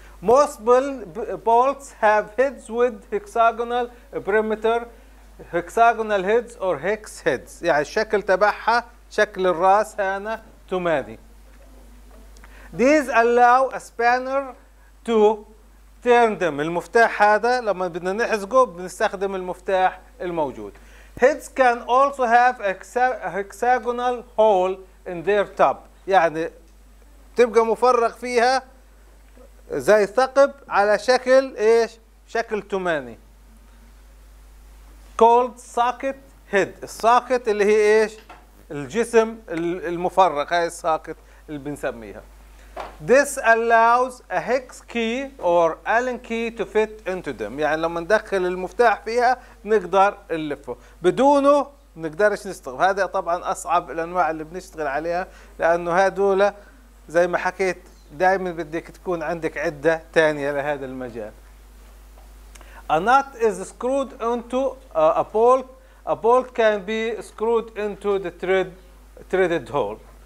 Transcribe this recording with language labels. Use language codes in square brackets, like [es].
[en] Most bolts have heads with hexagonal perimeter, hexagonal heads or hex heads. [ar] يعني الشكل تبعها شكل الرأس هنا ثماني. [en] These allow a spanner to turn them. [ar] المفتاح هذا لما بدنا نحزقه بنستخدم المفتاح الموجود. [en] Heads can also have a hexagonal hole in their top. [ar] يعني تبقى مفرغ فيها زي ثقب على شكل ايش؟ شكل ثماني. [en] Called socket head. [ar] الساكت اللي هي ايش؟ الجسم المفرغ، هاي الساكت اللي بنسميها. [en] This allows a hex key or Allen key to fit into them. [ar] يعني لما ندخل المفتاح فيها نقدر نلفه، بدونه ما نقدرش نستخدم. هذا طبعا اصعب الانواع اللي بنشتغل عليها، لانه هذول زي ما حكيت دائما بدك تكون عندك عدة تانية لهذا المجال. [en] A nut is screwed into a bolt. A bolt can be screwed into the threaded hole.